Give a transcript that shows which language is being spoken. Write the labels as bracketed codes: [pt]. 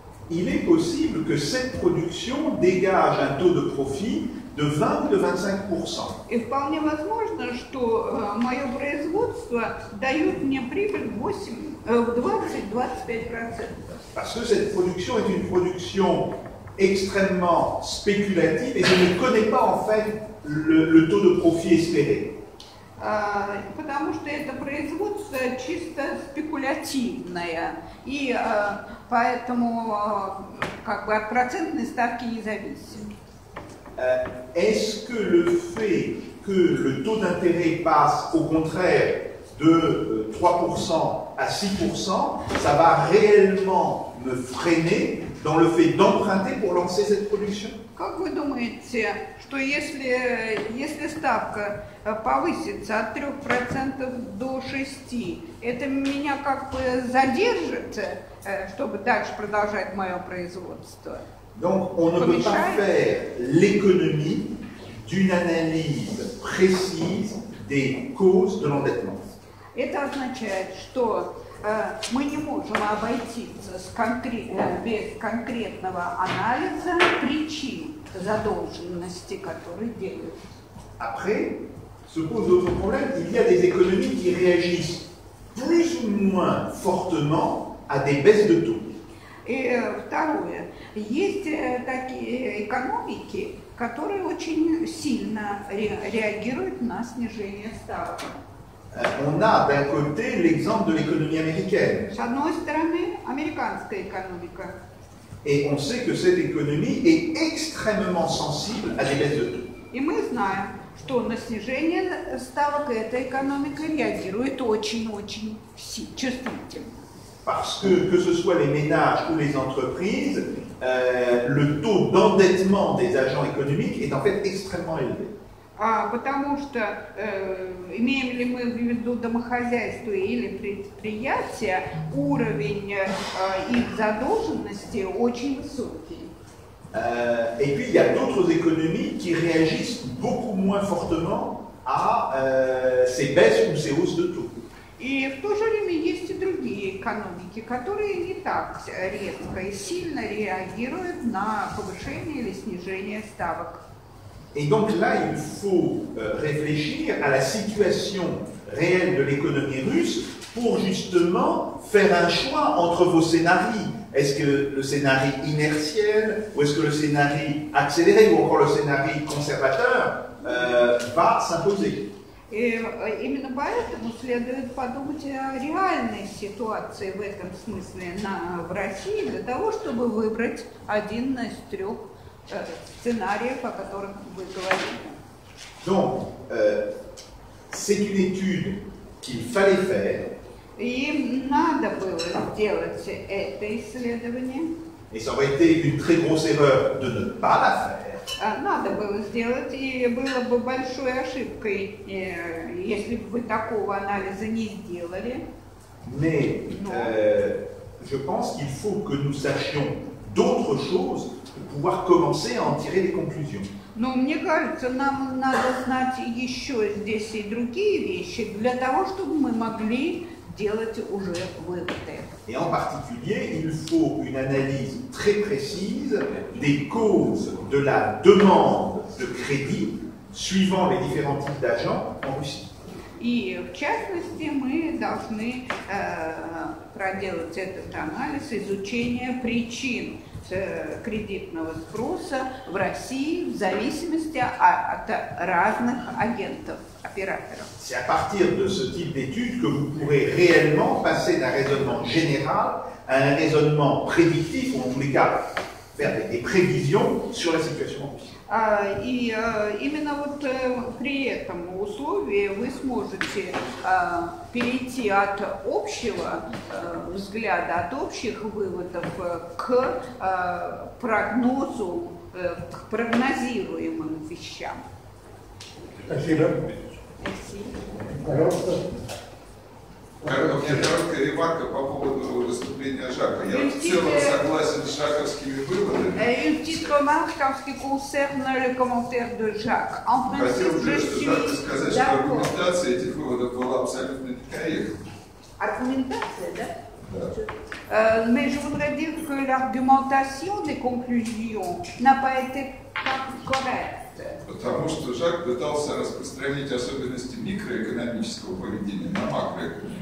[fr] Il est possible que cette production dégage un taux de profit de 20 ou de 25%. Et [ru] вполне возможно, что мое производство дает мне прибыль 20-25%. [fr] Parce que cette production est une production extrêmement spéculative et je ne connais pas en fait le taux de profit espéré. [ru] Потому что это производство чисто спекулятивное, и поэтому как бы от процентной ставки не зависит. [fr] Est-ce que le fait que le taux d'intérêt passe au contraire de 3% à 6%, ça va réellement me freiner dans le fait d'emprunter pour lancer cette production? [ru] Как вы думаете, что если ставка повысится от 3% до 6%, это меня как бы задержит, чтобы дальше продолжать мое производство? [fr] Donc on ne peut pas faire l'économie d'une analyse précise des causes de l'endettement. [ru] Это означает, что мы не можем обойтись без конкретного анализа причин задолженности, которые делают. [fr] Après, se pose d'autres problèmes. Il y a des économies qui réagissent plus ou moins fortement à des baisses de taux. [ru] И второе, есть такие экономики, которые очень сильно реагируют на снижение ставок. [fr] On a d'un côté l'exemple de l'économie américaine. [ru] С одной стороны, американская экономика. [fr] Et on sait que cette économie est extrêmement sensible à des baisses de taux. [ru] И мы знаем, что на снижение ставок эта экономика реагирует очень-очень чувствительно. [fr] Parce que ce soit les ménages ou les entreprises, le taux d'endettement des agents économiques est en fait extrêmement élevé. [ru] Потому что имеем ли мы в виду домохозяйство или предприятие, уровень их задолженности очень высокий. [fr] Et puis il y a d'autres économies qui réagissent beaucoup moins fortement à ces baisses ou ces hausses de taux. [ru] И в то же время есть и другие экономики, которые не так резко и сильно реагируют на повышение или снижение ставок. [fr] Et donc là, il faut réfléchir à la situation réelle de l'économie russe pour justement faire un choix entre vos scénarios. Est-ce que le scénario inertiel ou est-ce que le scénario accéléré ou encore le scénario conservateur va s'imposer? [ru] Именно поэтому следует подумать о реальной ситуации в этом смысле в России для того, чтобы выбрать один из трех сценариев, о которых вы говорили. [fr] Donc, c'est une étude qu'il fallait faire. [ru] Им надо было сделать это исследование. [fr] Et ça aurait été une très grosse erreur de ne pas la faire. [ru] надо было сделать, и было бы большой ошибкой, если бы вы такого анализа не сделали. [fr] Mais je pense qu'il faut que nous sachions d'autres choses pour pouvoir commencer à en tirer des conclusions. [ru] Ну, мне кажется, нам надо знать еще здесь и другие вещи для того, чтобы мы могли делать уже выводы. [fr] Et en particulier, il faut une analyse très précise des causes de la demande de crédit suivant les différents types d'agents en Russie. [ru] И в частности, мы должны проделать этот анализ изучения причин кредитного спроса в России в зависимости от разных агентов, операторов. [fr] C'est à partir de ce type d'étude que vous pourrez réellement passer d'un raisonnement général à un raisonnement prédictif, ou en tous les cas, faire des prévisions sur la situation. [ru] И именно вот при этом условии вы сможете перейти от общего взгляда, от общих выводов к прогнозу, к прогнозируемым вещам. Спасибо. Спасибо. У меня короткая ремарка по поводу выступления Жака. Я в целом согласен с жаковскими выводами. [fr] Une petite remarque en ce qui concerne le commentaire de Jacques. En principe, je suis d'accord. [ru] Аргументация этих выводов была абсолютно некорректна. Аргументация, да? Да. [fr] Mais je voudrais dire que l'argumentation des conclusions n'a pas été correcte. [ru] Потому что Жак пытался распространить особенности микроэкономического поведения на макроэкономическое.